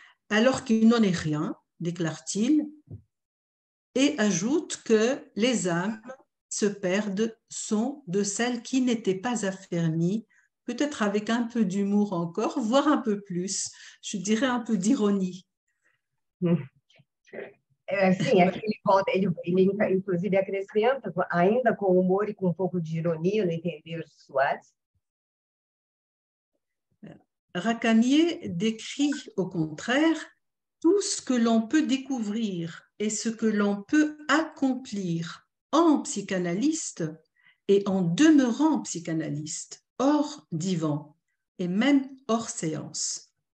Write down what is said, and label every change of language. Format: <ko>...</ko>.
<fr>Alors qu'il n'en est rien, déclare-t-il, et ajoute que les âmes se perdent sont de celles qui n'étaient pas affermies, peut-être avec un peu d'humour encore, voire un peu plus, je dirais un peu d'ironie.</fr> <pt>Ele inclusive acrescenta, ainda com humor e com um pouco de ironia, no entender os suaves.</pt> <fr>Racanier décrit au contraire tout ce que l'on peut découvrir et ce que l'on peut accomplir en psychanalyste et en demeurant psychanalyste, hors divan et même hors séance.</fr>